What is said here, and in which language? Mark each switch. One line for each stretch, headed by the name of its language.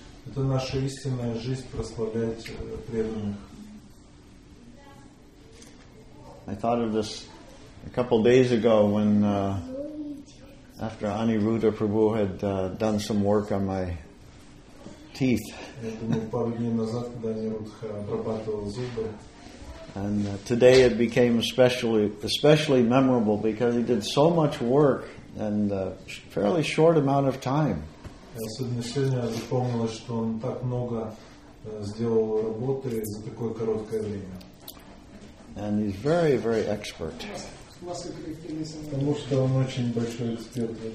Russian: Это наша истинная жизнь, прославлять преданных.
English: I thought of this a couple days ago when after Aniruddha Prabhu had done some work on my teeth.
Russian: Пару дней назад, когда Анирудха обрабатывал зубы.
English: And today it became especially memorable because he did so much work in a fairly short amount of time.
Russian: Особенно сегодня запомнилось, что он так много сделал работы за такое короткое время.
English: And he's very, very expert.
Russian: Потому что он очень большой эксперт.